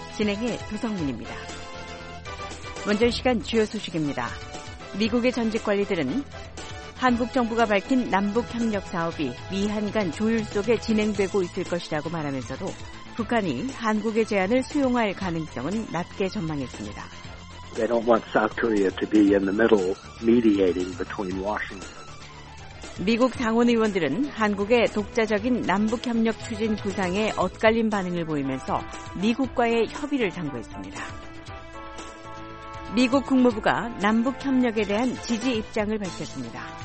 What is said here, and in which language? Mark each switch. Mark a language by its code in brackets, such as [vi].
[ko] 진행해 두성민입니다. 먼저 시간 주요 소식입니다. 미국의 전직 관리들은 한국 정부가 밝힌 남북협력 사업이 미한 간 조율 속에 진행되고 있을 것이라고 말하면서도 북한이 한국의 제안을 수용할 가능성은 낮게 전망했습니다. [en] They don't want South Korea to be in the middle mediating between Washington. [ko] 미국 당원 의원들은 한국의 독자적인 남북협력 추진 구상에 엇갈린 반응을 보이면서 미국과의 협의를 당부했습니다. 미국 국무부가 남북협력에 대한 지지 입장을 밝혔습니다.